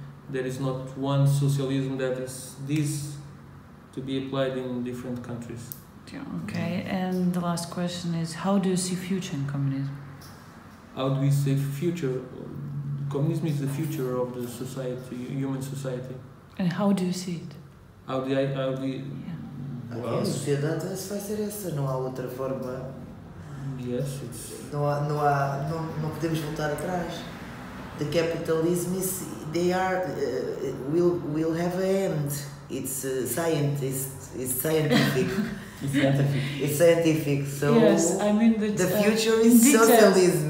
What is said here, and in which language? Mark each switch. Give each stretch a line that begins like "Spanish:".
English: There is not one socialism that is this to be applied in different countries. Okay, and the last question is, how do you see future in communism? How do we see future? Communism is the future of the society, human society. And how do you see it? How do you...
Portuguese: A sociedade vai ser essa, não há outra forma.
English: Yes, it's...
Portuguese: Não podemos voltar atrás.
English: The capitalism is, they are, will have an end. It's scientific. It's scientific. It's scientific. So yes, I mean that, the future is socialism.